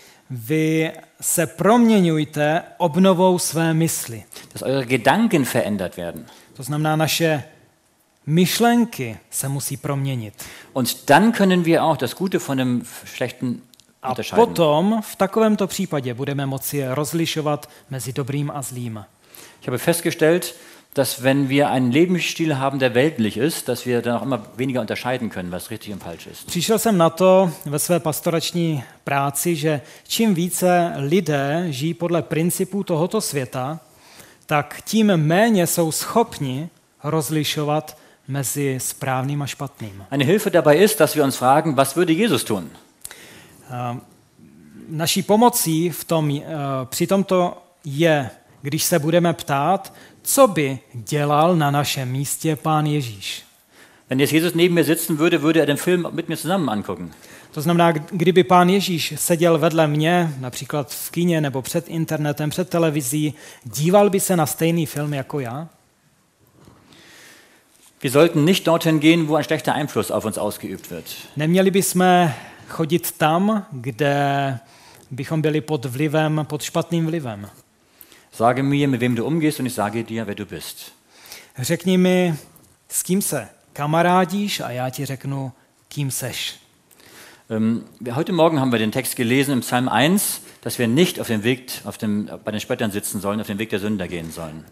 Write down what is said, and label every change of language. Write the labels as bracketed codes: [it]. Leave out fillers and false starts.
[cs] Vy se proměňujte obnovou své mysli. [de] Dass eure Gedanken verändert werden. [cs] To znamená, naše myšlenky se musí proměnit. [de] Und dann können wir auch das Gute von dem Schlechten unterscheiden. [cs] A potom v takovémto případě budeme moci rozlišovat mezi dobrým a zlým. [de] Ich habe festgestellt, dass wenn wir einen Lebensstil haben, der weltlich ist, dass wir dann auch immer weniger unterscheiden können, was richtig und falsch ist. [cs] Přišel jsem na to ve své pastorační práci, že čím více lidé žijí podle principů tohoto světa, tak tím méně jsou schopni rozlišovat mezi správným a špatným. [de] Eine Hilfe dabei ist, dass wir uns fragen, was würde Jesus tun? [cs] Naší pomocí v tom, při tomto je, když se budeme ptát, co by dělal na našem místě Pán Ježíš. [de] Wenn jetzt Jesus neben mir sitzen würde, würde er den Film mit mir zusammen angucken. [cs] To znamená, kdyby pán Ježíš seděl vedle mě, například v kině nebo před internetem, před televizí, díval by se na stejný film jako já? [de] Wir sollten nicht dorthin gehen, wo ein schlechter Einfluss auf uns ausgeübt wird. [cs] Neměli bychom chodit tam, kde bychom byli pod vlivem, pod špatným vlivem. [de] Sage mir, mit wem du umgehst, und ich sage dir, wer du bist. [cs] Řekni mi, s kým se kamarádíš, a já ti řeknu, kým seš. [de] Heute Morgen haben wir den Text gelesen im Psalm 1, dass wir nicht auf dem Weg auf dem, bei den Spöttern sitzen sollen, auf dem Weg der Sünder gehen sollen.